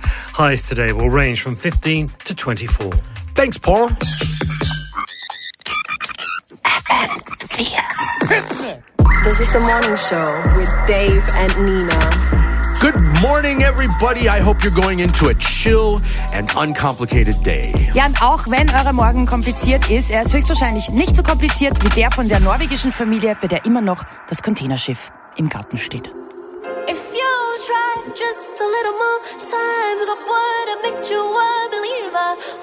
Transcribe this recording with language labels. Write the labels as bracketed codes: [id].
[en] Highs today will range from 15 to 24. Thanks, Paul. This is The Morning Show with Dave and Nina. Good morning, everybody. I hope you're going into a chill and uncomplicated day. [de] Ja, und auch wenn euer Morgen kompliziert ist, er ist höchstwahrscheinlich nicht so kompliziert wie der von der norwegischen Familie, bei der immer noch das Containerschiff im Garten steht. [en] If you try just a little more times, I would make you a believer.